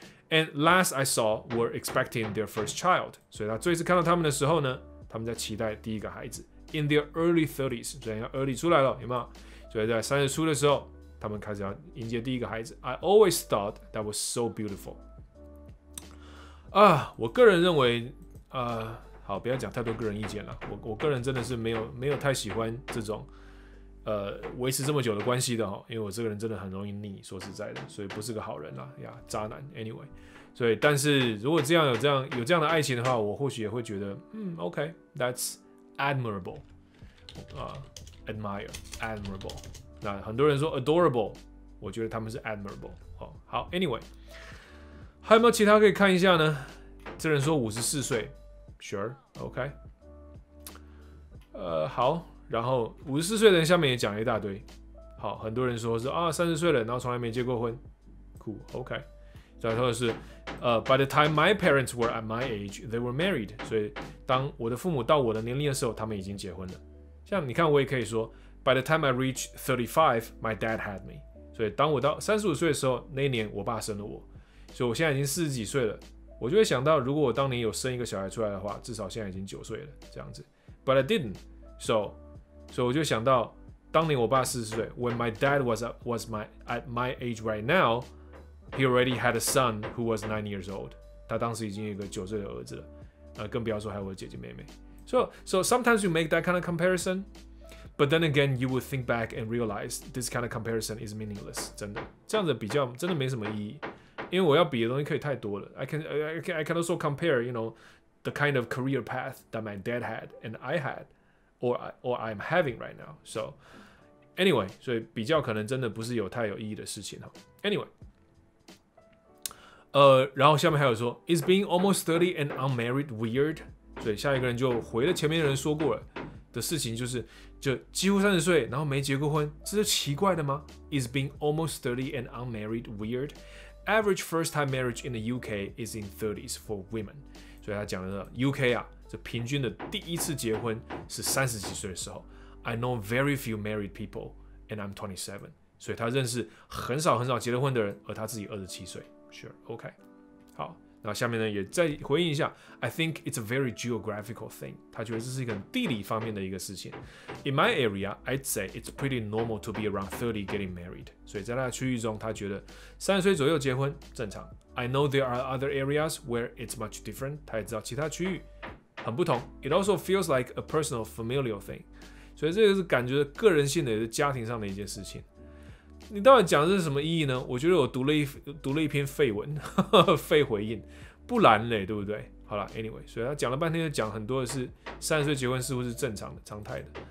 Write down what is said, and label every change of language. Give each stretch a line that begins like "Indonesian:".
English: And last I saw, were expecting their first child.
Chinese: 所以他最次看到他们的时候呢，他们在期待第一个孩子。
English: In their early 30s,
Chinese: 所以要 early 出来了，有没有？所以在30初的时候，他们开始要迎接第一个孩子。
English: I always thought that was so beautiful. 啊，
Chinese: 我个人认为，好，不要讲太多个人意见了。我个人真的是没有太喜欢这种，维持这么久的关系的哈，因为我这个人真的很容易腻，说实在的，所以不是个好人啦呀，渣男。 Anyway， 所以但是如果这样有这样的爱情的话，我或许也会觉得，OK，
English: that's admirable，
Chinese: 啊、admirable。那很多人说 adorable， 我觉得他们是 admirable。哦，好 ，Anyway， 还有没有其他可以看一下呢？这人说54岁 ，Sure，OK、okay。好，然后54岁的人下面也讲了一大堆。好，很多人说是啊，30岁了，然后从来没结过婚 ，Cool，OK、okay。
English: 再说的是，by the time my parents were at my age， they were married，
Chinese: 所以当我的父母到我的年龄的时候，他们已经结婚了。像你看，我也可以说。
English: By the time I reached 35, my dad had me.
Chinese: 所以当我到35岁的时候，那一年我爸生了我。所以我现在已经40几岁了。我就会想到，如果我当年有生一个小孩出来的话，至少现在已经9岁了，这样子。
English: But I didn't. So
Chinese: 我就想到，当年我爸40岁
English: ，When my dad was at my age right now, he already had a son who was 9 years old.
Chinese: 他当时已经有一个9岁的儿子了，更不要说还有我的姐姐妹妹。
English: So sometimes you make that kind of comparison. But then again, you would think back and realize this kind of comparison is meaningless.
Chinese: 真的，这样子比较真的没什么意义，因为我要比的东西可以太多了。
English: I can also compare, you know, the kind of career path that my dad had and I had, or I'm having right now.
Chinese: So, anyway, 所以比较可能真的不是有太有意义的事情哈。
English: Anyway,
Chinese: 然后下面还有说
English: ，Is being almost 30 and unmarried weird?
Chinese: 所以下一个人就回了前面的人说过了的事情，就是。就几乎30岁，然后没结过婚，这是奇怪的吗 ？
English: Is being almost 30 and unmarried weird? Average first-time marriage in the UK is in 30s for women.
Chinese: 所以他讲的 UK 啊，这平均的第一次结婚是三十几岁的时候。
English: I know very few married people, and I'm 27.
Chinese: 所以他认识很少很少结了婚的人，而他自己27岁。
English: Sure, OK.
Chinese: 好，那下面呢也再回应一下。
English: I think it's a very geographical thing.
Chinese: 他觉得这是一个地理方面的一个事情。
English: In my area, I'd say it's pretty normal to be around 30 getting married.
Chinese: 所以在他的区域中，他觉得30岁左右结婚正常。
English: I know there are other areas where it's much different.
Chinese: 他也知道其他区域很不同。
English: It also feels like a personal familial thing.
Chinese: 所以这个是感觉个人性的，也是家庭上的一件事情。你到底讲的是什么意义呢？我觉得我读了一篇废文，废回应，不然嘞，对不对？好了 ，anyway， 所以他讲了半天，就讲很多的是三十岁结婚似乎是正常的、常态的。